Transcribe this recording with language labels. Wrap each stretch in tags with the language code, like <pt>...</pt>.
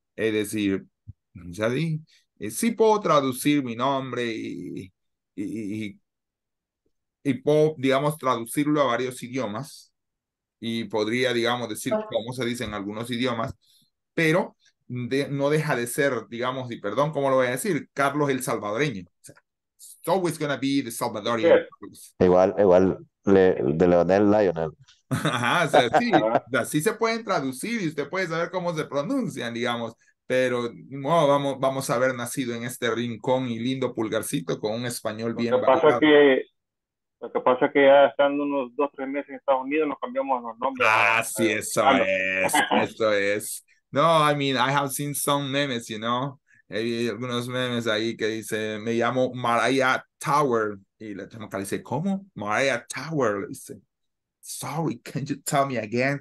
<es>Es decir, ya di. Sí puedo traducir mi nombre y puedo, digamos, traducirlo a varios idiomas y podría, digamos, decir cómo se dice en algunos idiomas, pero no deja de ser, digamos, y perdón, ¿cómo lo voy a decir? Carlos el salvadoreño. O sea,</es> <en>it's always gonna be the Salvadorian. Yeah.</en> <es>Igual de Leonel Lionel. Ajá, o sea, sí, así se pueden traducir y usted puede saber cómo se pronuncian, digamos. Pero bueno, vamos a haber nacido en este rincón y lindo pulgarcito con un español lo bien que pasa es que lo que pasa es que ya estando unos 2-3 meses en Estados Unidos nos cambiamos los nombres. Ah, sí, eso es. Eso es.</es> <en>No, I mean, I have seen some memes, you know.</en> <es>Hay algunos memes ahí que dice, me llamo Mariah Tower. Y la tengo que decir, ¿cómo? Mariah Tower. Le dice,</es> <en>sorry, can you tell me again?</en>